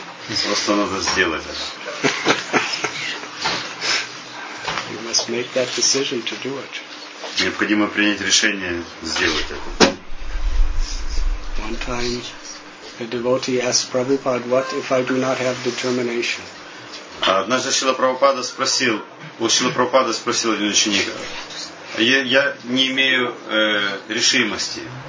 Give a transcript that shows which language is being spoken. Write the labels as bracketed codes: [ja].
[ru] Просто надо сделать это. [en] You must make that decision to do it. [ru] Необходимо принять решение сделать это. [en] One time a devotee asked Prabhupada, what if I do not have determination? [ru] Однажды Шрила Прабхупада спросил один ученик, я не имею решимости.